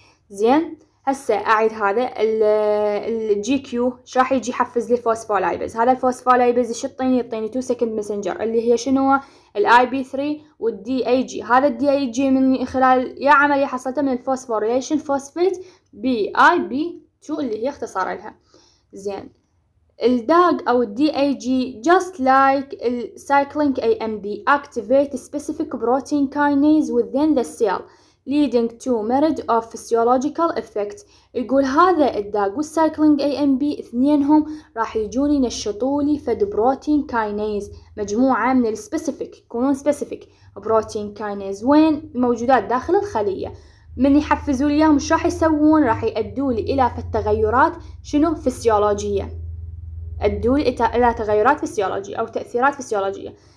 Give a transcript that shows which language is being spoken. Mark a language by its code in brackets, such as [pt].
[ar] زين، هسه اعيد هذا الجي كيو ايش راح يجي يحفز لي فوسفولايبز؟ هذا الفوسفولايبز ايش يعطيني؟ يعطيني 2 سكند مسنجر اللي هي شنو؟ الاي بي 3 والدي اي جي. هذا الدي اي جي من خلال يا عملية حصلته من الفوسفوريليشن فوسفيت بي اي بي 2 اللي هي اختصار لها. زين، الداغ او الدي اي جي [en] just like cycling AMP activate specific protein kinase within the cell leading to myriad of physiological effect. [ar] يقول هذا الداغ والcycling AMP اثنينهم راح يجون ينشطولي فد بروتين كاينيز، مجموعة من specific، يكونون [en] specific protein kinase [ar] وين؟ موجودات داخل الخلية. من يحفزوا ليهم شو راح يسوون راح يؤدوا لي الى التغيرات شنو فسيولوجيه، ادوا لي الى تغيرات فسيولوجيه او تاثيرات فسيولوجيه.